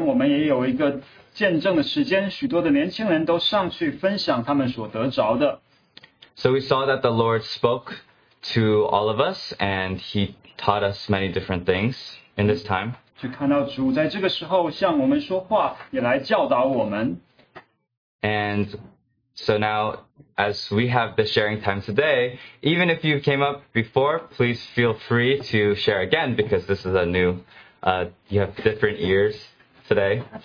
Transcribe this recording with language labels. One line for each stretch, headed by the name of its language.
Chinese: 并且就是在特会的最后一天早晨，我们也有一个见证的时间， 许多的年轻人都上去分享他们所得着的。
English: So we saw that the Lord spoke to all of us and he taught us many different things in this time.
Chinese: 就看到主在这个时候向我们说话, 也来教导我们。
English: And so now, as we have the sharing time today, even if you came up before, please feel free to share again, because this is a new, you have different ears today.